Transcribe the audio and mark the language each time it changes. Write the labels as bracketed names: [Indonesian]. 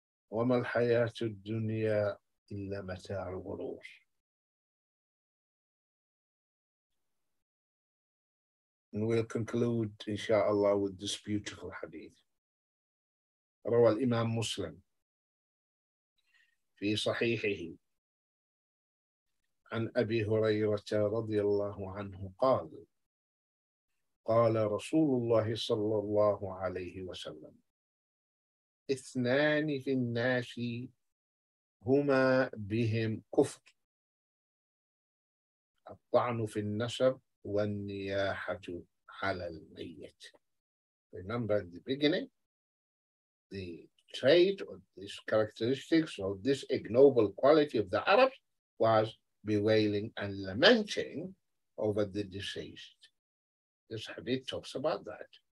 [Arabic] وَمَا الْحَيَاةُ الدُّنْيَا إِلَّا مَتَاعُ الْغُرُورِ. [English] And we'll conclude, insha'Allah, with this beautiful hadith. [Arabic] رواه الإمام مسلم في صحيحه عن أبي هريرة رضي الله عنه قال قال رسول الله صلى الله عليه وسلم اثنان في الناس هما بهم كفر الطعن في النسب والنياحة على الميت. [English] Remember in the beginning, the trait or these characteristics or this ignoble quality of the Arabs was bewailing and lamenting over the deceased. This hadith talks about that.